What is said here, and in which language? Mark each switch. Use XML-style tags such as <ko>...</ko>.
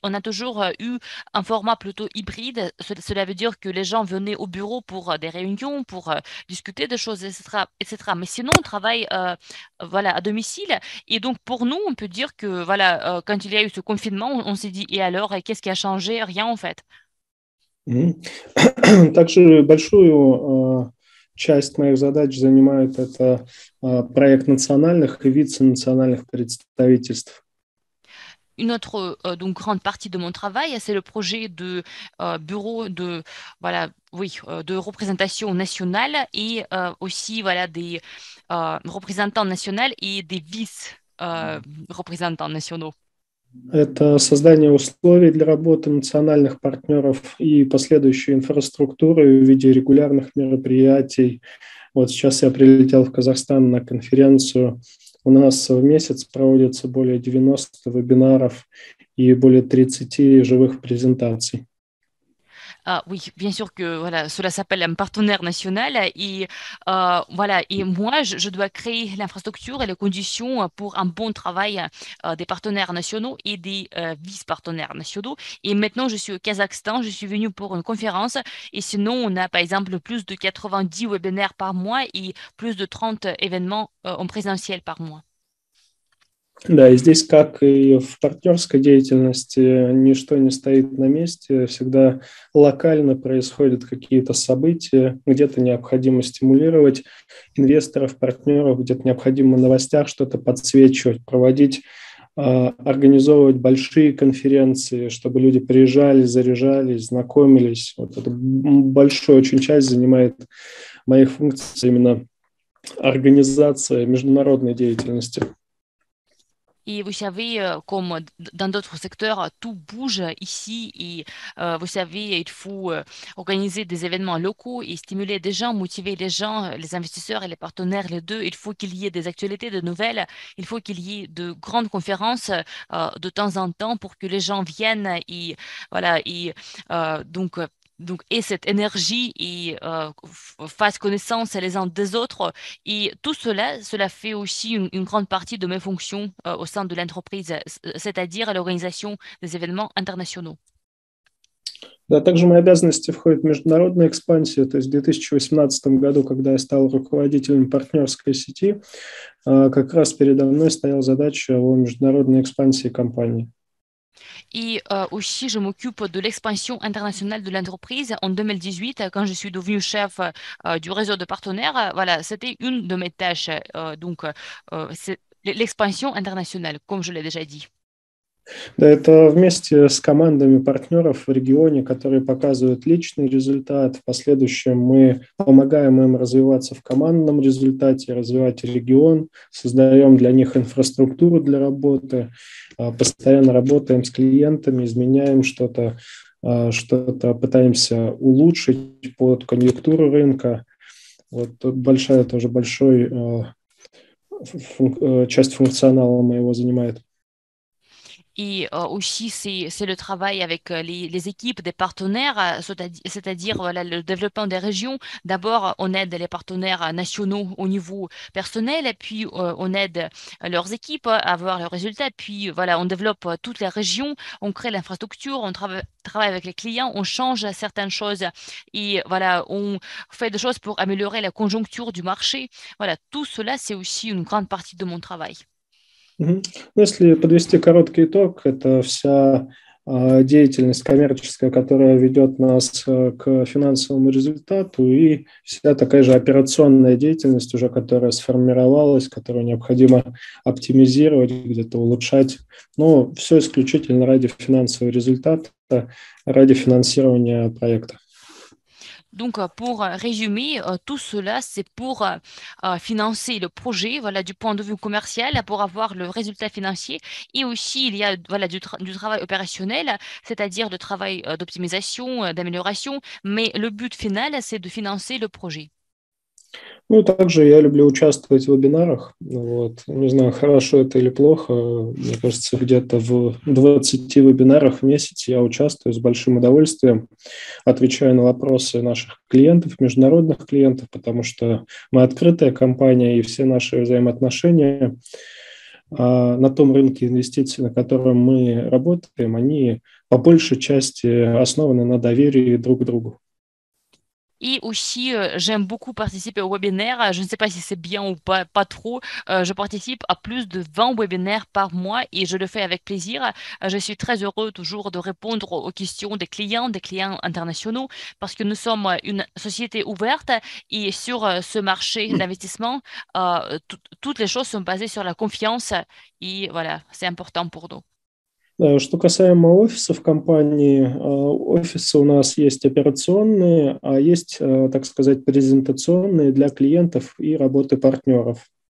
<fr>On a toujours eu un format plutôt hybride. Cela veut dire que les gens venaient au bureau pour des réunions, pour discuter des choses, etc., etc. Mais sinon, on travaille voilà, à domicile. Et donc, pour nous, on peut dire que, voilà, quand il y a eu ce confinement, on s'est dit, et alors, et qu'est-ce qui a changé? Rien, en fait.</fr> <ru>Также большую часть моих задач занимает это проект национальных и вице-национальных представительств.</ru> <fr>Une autre donc grande partie de mon travail, c'est le projet de bureau de voilà oui de représentation nationale et aussi voilà des représentants nationaux et des vice représentants nationaux.</fr> <ru>Это создание условий для работы национальных партнеров и последующей инфраструктуры в виде регулярных мероприятий. Вот сейчас я прилетел в Казахстан на конференцию. У нас в месяц проводится более 90 вебинаров и более 30 живых презентаций.</ru> <fr>Ah, oui, bien sûr que voilà, cela s'appelle un partenaire national et voilà et moi je dois créer l'infrastructure et les conditions pour un bon travail des partenaires nationaux et des vice-partenaires nationaux. Et maintenant je suis au Kazakhstan, je suis venue pour une conférence et sinon on a par exemple plus de 90 webinaires par mois et plus de 30 événements en présentiel par mois.</fr> <ru>Да, и здесь, как и в партнерской деятельности, ничто не стоит на месте, всегда локально происходят какие-то события, где-то необходимо стимулировать инвесторов, партнеров, где-то необходимо в новостях что-то подсвечивать, проводить, организовывать большие конференции, чтобы люди приезжали, заряжались, знакомились. Вот это большую очень часть занимает моих функций именно организация международной деятельности.</ru> <fr>Et vous savez, comme dans d'autres secteurs, tout bouge ici. Et vous savez, il faut organiser des événements locaux et stimuler des gens, motiver les gens, les investisseurs et les partenaires, les deux. Il faut qu'il y ait des actualités, des nouvelles. Il faut qu'il y ait de grandes conférences de temps en temps pour que les gens viennent. Et voilà. Et donc, aient cette énergie et fassent connaissance les uns des autres. Et tout cela fait aussi une grande partie de mes fonctions au sein de l'entreprise, c'est-à-dire l'organisation des événements internationaux.</fr> <ru>Да, также в мои обязанности входит международная экспансия. То есть в 2018 году, когда я стал руководителем партнерской сети, как раз передо мной стояла задача о международной экспансии компании.</ru> <fr>Et aussi, je m'occupe de l'expansion internationale de l'entreprise. En 2018, quand je suis devenue chef du réseau de partenaires, voilà, c'était une de mes tâches. Donc, c'est l'expansion internationale, comme je l'ai déjà dit.</fr> <ru>Да, это вместе с командами партнеров в регионе, которые показывают личный результат. В последующем мы помогаем им развиваться в командном результате, развивать регион, создаем для них инфраструктуру для работы, постоянно работаем с клиентами, изменяем что-то пытаемся улучшить под конъюнктуру рынка. Вот тут большая, тоже большой часть функционала моего занимает.</ru> <fr>Et aussi, c'est le travail avec les équipes des partenaires, c'est-à-dire voilà, le développement des régions. D'abord, on aide les partenaires nationaux au niveau personnel, et puis on aide leurs équipes à avoir le résultat. Puis voilà, on développe toutes les régions, on crée l'infrastructure, on travaille avec les clients, on change certaines choses, et voilà, on fait des choses pour améliorer la conjoncture du marché. Voilà, tout cela, c'est aussi une grande partie de mon travail.</fr> <ru>Если подвести короткий итог, это вся деятельность коммерческая, которая ведет нас к финансовому результату, и вся такая же операционная деятельность уже, которая сформировалась, которую необходимо оптимизировать, где-то улучшать. Но все исключительно ради финансового результата, ради финансирования проекта.</ru> <fr>Donc, pour résumer, tout cela, c'est pour financer le projet, voilà, du point de vue commercial, pour avoir le résultat financier. Et aussi, il y a, voilà, du travail opérationnel, c'est-à-dire le travail d'optimisation, d'amélioration. Mais le but final, c'est de financer le projet.</fr> <ru>Ну, также я люблю участвовать в вебинарах. Вот. Не знаю, хорошо это или плохо. Мне кажется, где-то в 20 вебинарах в месяц я участвую с большим удовольствием, отвечаю на вопросы наших клиентов, международных клиентов, потому что мы открытая компания, и все наши взаимоотношения на том рынке инвестиций, на котором мы работаем, они по большей части основаны на доверии друг к другу.</ru> <fr>Et aussi, j'aime beaucoup participer aux webinaires. Je ne sais pas si c'est bien ou pas trop. Je participe à plus de 20 webinaires par mois et je le fais avec plaisir. Je suis très heureux toujours de répondre aux questions des clients internationaux, parce que nous sommes une société ouverte et sur ce marché d'investissement, toutes les choses sont basées sur la confiance et voilà, c'est important pour nous.</fr> <ru>Что касаемо офисов компании, офисы у нас есть операционные, а есть, так сказать, презентационные для клиентов и работы партнеров.</ru>